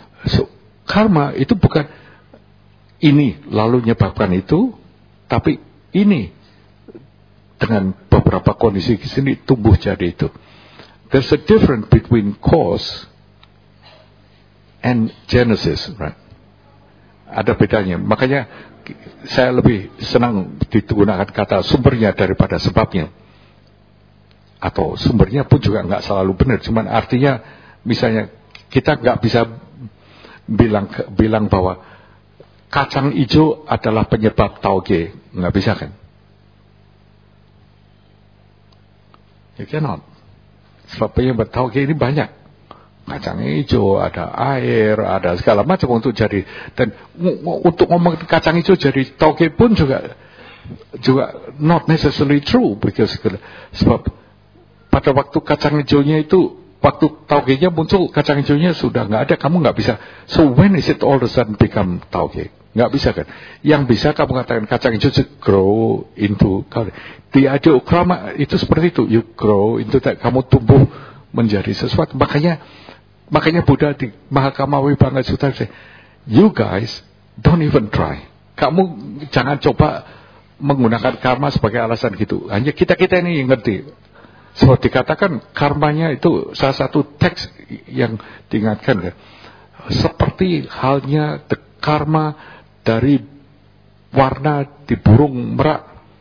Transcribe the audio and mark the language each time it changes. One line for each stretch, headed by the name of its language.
Indonesian: So, karma itu bukan ini lalu menyebabkan itu, tapi ini dengan beberapa kondisi di sini tumbuh jadi itu.
English: There's a difference between cause and genesis, right?
Indonesian: Ada bedanya. Makanya saya lebih senang digunakan kata sumbernya daripada sebabnya. Atau sumbernya pun juga enggak selalu benar. Cuman artinya misalnya kita enggak bisa bilang bahwa kacang hijau adalah penyebab tauge. Enggak bisa kan?
English: You cannot.
Indonesian: Sebab penyebab tauge ini banyak. Kacang hijau, ada air, ada segala macam untuk jadi. Dan untuk ngomong kacang hijau jadi tauge pun juga
English: not necessarily true.
Indonesian: Sebab pada waktu kacang hijaunya itu, waktu taugenya muncul, kacang hijaunya sudah enggak ada. Kamu enggak bisa.
English: So when is it all of a sudden become tauge?
Indonesian: Enggak bisa kan? Yang bisa kamu katakan kacang hijau
English: to grow into.
Indonesian: Di adi ukrama itu seperti itu.
English: You grow into that.
Indonesian: Kamu tumbuh menjadi sesuatu. Makanya Buddha di Mahakama Wibhanga Sutta
English: say, you guys don't even try.
Indonesian: Kamu jangan coba menggunakan karma sebagai alasan gitu. Hanya kita-kita ini yang ngerti. Seperti dikatakan karmanya itu salah satu teks yang diingatkan. Kan? Seperti halnya the karma dari warna di burung merak.